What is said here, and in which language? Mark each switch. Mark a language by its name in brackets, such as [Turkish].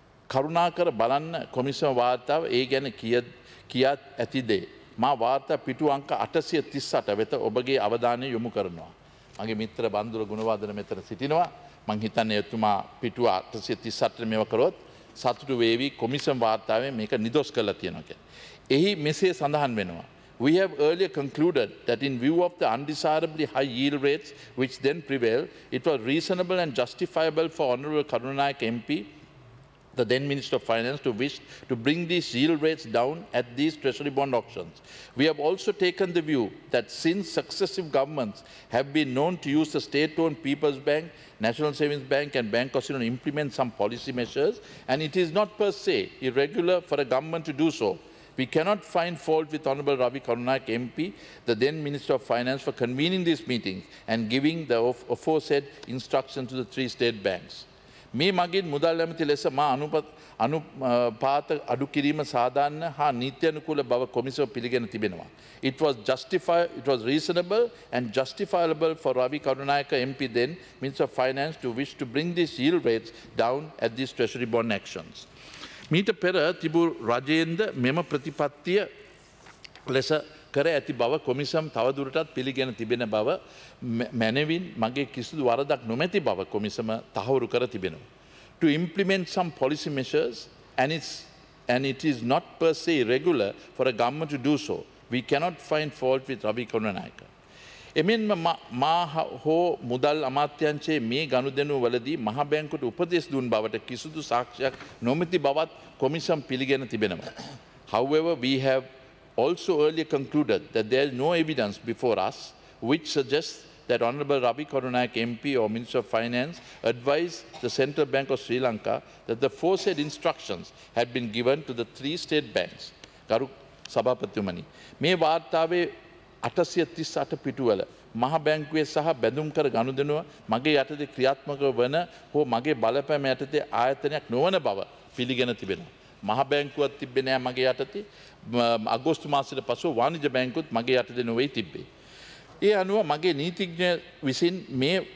[Sinhala] කරුණාකර බලන්න කොමිසම වාර්තාව ඒ ගැන කියත් ඇති දේ. මා වාර්තා පිටු අංක 838 වෙත ඔබගේ අවධානය යොමු කරනවා. මගේ මිත්‍ර බන්දුර ගුණවාදන මෙතන සිටිනවා. මං හිතන්නේ එතුමා පිටුව 838 මේව කරොත් සතුටු වේවි. කොමිෂන් වාර්තාවේ මේක නිදොස් කරලා තියෙනවා කියන්නේ. එහි මෙසේ සඳහන් වෙනවා. [English] We have earlier concluded that in view of the undesirably high yield rates which then prevailed, it was reasonable and justifiable for Honorable Karunanayake MP, the then Minister of Finance, to wish to bring these yield rates down at these treasury bond auctions. We have also taken the view that since successive governments have been known to use the state-owned People's Bank, National Savings Bank and Bank of Ceylon to implement some policy measures, and it is not per se irregular for a government to do so, we cannot find fault with Honorable Ravi Karunanayake MP, the then Minister of Finance, for convening these meetings and giving the aforesaid instruction to the three state banks. [Sinhala] මේ මගින් මුදල් ඇමති ලෙස මා අනුපාත අඩු කිරීම සාධාරණ හා නීත්‍යානුකූල බව කොමිසම පිළිගෙන තිබෙනවා. [English] It was reasonable and justifiable for Ravi Karunanayake MP then Minister of Finance to wish to bring these yield rates down at these treasury bond auctions. [Sinhala] මීට පෙර තිබූ රජේන්ද මෙම ප්‍රතිපත්තිය ලෙස කර ඇති බව කොමිසම තවදුරටත් පිළිගෙන තිබෙන බව මැනවින් මගේ කිසිදු වරදක් නොමැති බව කොමිසම තහවුරු කර තිබෙනවා. [English] To implement some policy measures and it is not per se irregular for a government to do so, we cannot find fault with Ravi Karunanayake. [Sinhala] එමෙන්ම මා හෝ මුදල් අමාත්‍යංශයේ මේ ගනුදෙනු වලදී මහ බැංකුවට උපදෙස් දුන් බවට කිසිදු සාක්ෂියක් නොමැති බවත් කොමිසම පිළිගෙන තිබෙනවා. [English] However, we have also earlier concluded that there is no evidence before us which suggests that Honorable Ravi Karunanayake MP or Minister of Finance advised the Central Bank of Sri Lanka that the aforesaid instructions had been given to the three state banks. [Sinhala] Garu Sabhapathyumani, මේ වාර්තාවේ 838 පිටුවල මහ බැංකුවේ සහ බැඳුම් කර ගනුදෙනුව මගේ යටතේ ක්‍රියාත්මක වන හෝ මගේ බලපෑම යටතේ ආයතනයක් නොවන බව පිළිගෙන තිබෙනවා. මහ බැංකුවක් තිබෙන්නේ නැහැ මගේ යටතේ. අගෝස්තු මාසයේ පසු වාණිජ බැංකුවත් මගේ යටතේ නොවේ තිබෙයි. ඒ අනුව මගේ නීතිඥ විසින් මේ